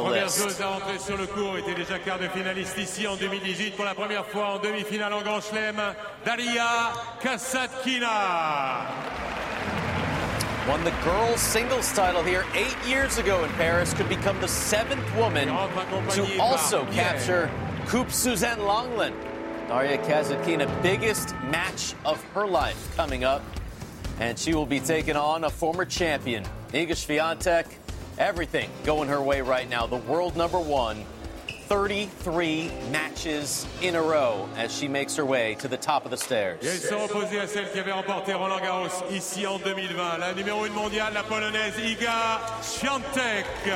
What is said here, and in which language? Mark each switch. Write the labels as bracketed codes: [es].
[fr] list? La première joueuse à entrer sur le court était déjà quart de finaliste ici en 2018 pour la première fois en demi-finale en Grand Chelem. Daria Kasatkina. [en] Won the girls' singles title here 8 years ago in Paris, could become the seventh woman to also capture Coupe Suzanne Lenglen. Daria Kasatkina, biggest match of her life coming up, and she will be taking on a former champion, Iga Swiatek. Everything going her way right now. The world number one, 33 matches in a row as she makes her way to the top of the stairs. [fr] Elle s'est opposée à celle qui avait remporté Roland Garros ici en 2020. La numéro une mondiale, la Polonaise Iga Swiatek.